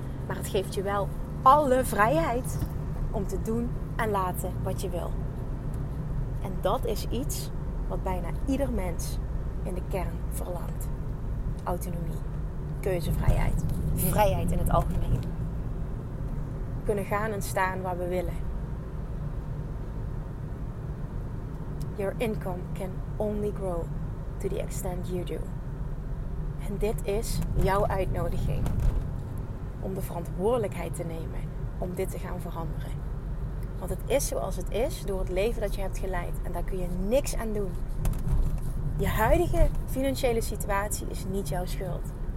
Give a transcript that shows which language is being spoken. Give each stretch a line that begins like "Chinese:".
Dutch: Maar het geeft je wel alle vrijheid om te doen en laten wat je wil. En dat is iets wat bijna ieder mens in de kern verlangt. Autonomie, keuzevrijheid, vrijheid in het algemeen. Kunnen gaan en staan waar we willen.
English: Your income can only grow to the extent you do.
Dutch: En dit is jouw uitnodiging om de verantwoordelijkheid te nemen om dit te gaan veranderen. Want het is zoals het is door het leven dat je hebt geleid. En daar kun je niks aan doen. Je huidige financiële situatie is niet jouw schuld.